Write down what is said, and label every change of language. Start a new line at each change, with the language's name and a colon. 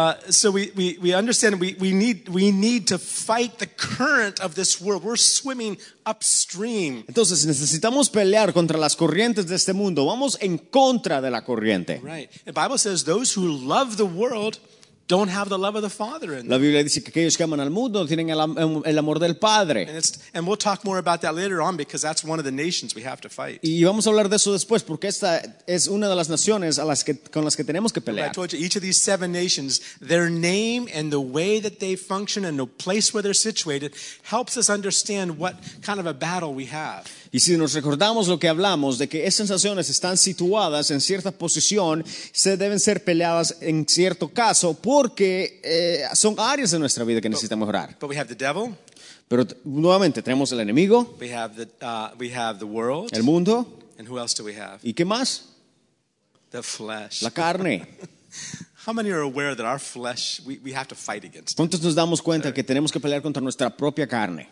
English: So we understand we need to fight the current of this world. We're swimming upstream.
Spanish: Entonces necesitamos pelear contra las corrientes de este mundo. Vamos en contra de la corriente.
English: Right. The Bible says those who love the world don't have the love of the Father in them.
Spanish: La Biblia dice que aquellos que aman al mundo tienen el amor del Padre.
English: And we'll talk more about that later on because that's one of the nations we have to fight.
Spanish: Y vamos a hablar de eso después porque esta es una de las naciones a las que con las que tenemos que pelear.
English: Right, I told you, each of these seven nations, their name and the way that they function and the place where they're situated helps us understand what kind of a battle we have.
Spanish: Y si nos recordamos lo que hablamos de que esas naciones están situadas en cierta posición, se deben ser peleadas en cierto caso. Porque son áreas de nuestra vida que necesitan mejorar.
English: But we have the devil.
Spanish: Pero nuevamente tenemos el enemigo.
English: We have the world.
Spanish: El mundo.
English: And who else do we have?
Spanish: ¿Y qué más?
English: The flesh.
Spanish: La carne.
English: How many are aware that our flesh we have to fight against?
Spanish: ¿Cuántos nos damos cuenta que tenemos que pelear contra nuestra propia carne?